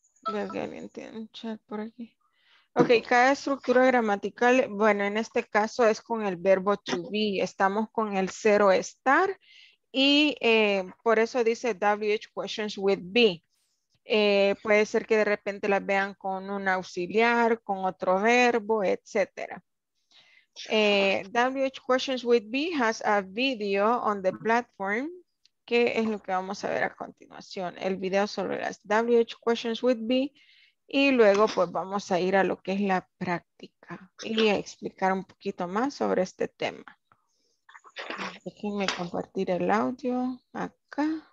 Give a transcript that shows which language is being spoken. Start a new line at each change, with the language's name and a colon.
Spanish: Veo que alguien tiene un chat por aquí. Ok, cada estructura gramatical, bueno, en este caso es con el verbo to be. Estamos con el cero estar y por eso dice WH questions with be. Puede ser que de repente las vean con un auxiliar, con otro verbo, etc.
English: WH questions with be has a video on the platform.
Spanish: ¿Qué es lo que vamos a ver a continuación? El video sobre las WH questions with be. Y luego pues vamos a ir a lo que es la práctica. Y a explicar un poquito más sobre este tema. Déjenme compartir el audio acá.